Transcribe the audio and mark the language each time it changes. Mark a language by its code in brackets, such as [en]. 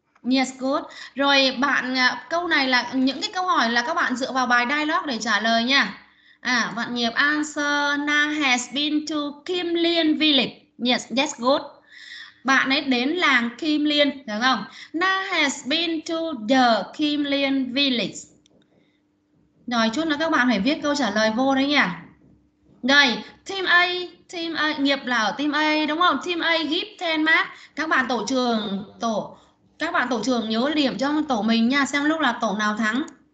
[en] Yes, good. [vi] Rồi bạn, câu này là những cái câu hỏi là các bạn dựa vào bài dialogue để trả lời nha. À, bạn [en] Nghiệp answer Na has been to Kim Liên Village. Yes, that's good. [vi] Bạn ấy đến làng Kim Liên, được không? [en] Na has been to the Kim Liên Village. [vi] Rồi, chút nữa các bạn phải viết câu trả lời vô đấy nhỉ. Đây, team A, Nghiệp là ở team A, đúng không? [en] Team A give 10 mark. [vi] Các bạn tổ trưởng, các bạn tổ trưởng nhớ điểm cho tổ mình nha, xem lúc là tổ nào thắng.